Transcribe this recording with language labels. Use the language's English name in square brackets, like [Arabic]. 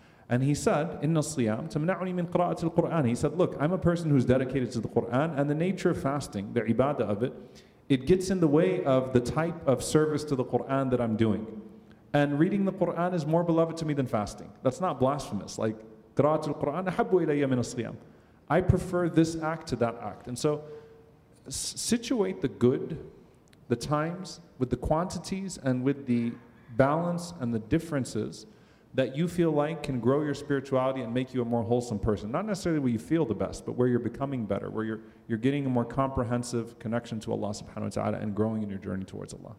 [English] And he said, [Arabic] إِنَّ الصِّيَامْ تَمْنَعُنِي مِنْ قِرَاءَةِ الْقُرْآنِ. [English] He said, look, I'm a person who's dedicated to the Qur'an, and the nature of fasting, the ibadah of it, it gets in the way of the type of service to the Qur'an that I'm doing. And reading the Qur'an is more beloved to me than fasting. That's not blasphemous. Like, [Arabic] قِرَاءَةُ الْقُرْآنِ أَحَبُّ إِلَيَّ مِنَ الصِّيَامِ. [English] I prefer this act to that act. And so, situate the good, the times, with the quantities, and with the balance and the differences that you feel like can grow your spirituality and make you a more wholesome person. Not necessarily where you feel the best, but where you're becoming better, where you're getting a more comprehensive connection to Allah subhanahu wa ta'ala and growing in your journey towards Allah.